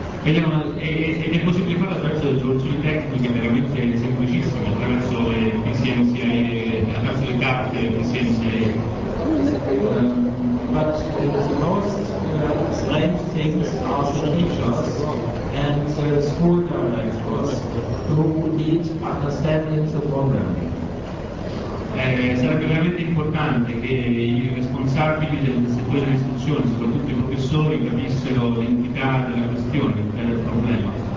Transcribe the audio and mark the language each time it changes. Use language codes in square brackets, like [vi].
[it] Ed è possibile farlo attraverso le soluzioni tecniche veramente semplicissime, attraverso le PCM CIA, attraverso le carte PCM CIA. [en] But the most strange things are the teachers and the school directors who need understanding the programming. [it] Sarebbe veramente importante che i responsabili del settore dell'istruzione, soprattutto i professori, capissero l'entità della questione, l'entità del problema.